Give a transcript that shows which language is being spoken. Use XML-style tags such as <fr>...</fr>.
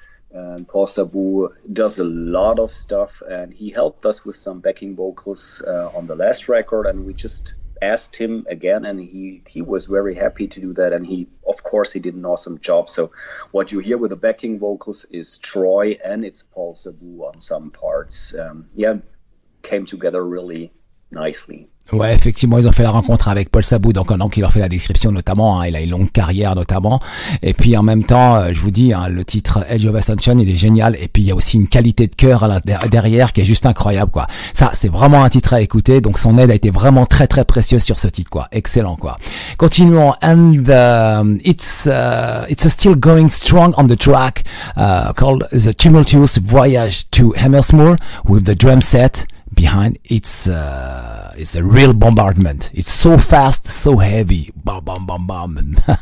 <en>And Paul Sabu does a lot of stuff, and he helped us with some backing vocals on the last record, and we just asked him again, and he was very happy to do that, and of course he did an awesome job. So what you hear with the backing vocals is Troy, and it's Paul Sabu on some parts. Came together really nicely.</en> <fr>Ouais, effectivement, ils ont fait la rencontre avec Paul Sabu, donc un homme qui leur fait la description, notamment, hein, il a une longue carrière, notamment. Et puis, en même temps, je vous dis, hein, le titre Age of Ascension, il est génial. Et puis, il y a aussi une qualité de cœur derrière qui est juste incroyable, quoi. Ça, c'est vraiment un titre à écouter. Donc, son aide a été vraiment très, très précieuse sur ce titre, quoi. Excellent, quoi. Continuons.</fr> <en>And, it's still going strong on the track, called The Tumultuous Voyage to Hemmersmoor with the drum set. Behind, it's a real bombardment. It's so fast, so heavy. Bam, bam, bam, bam.</en>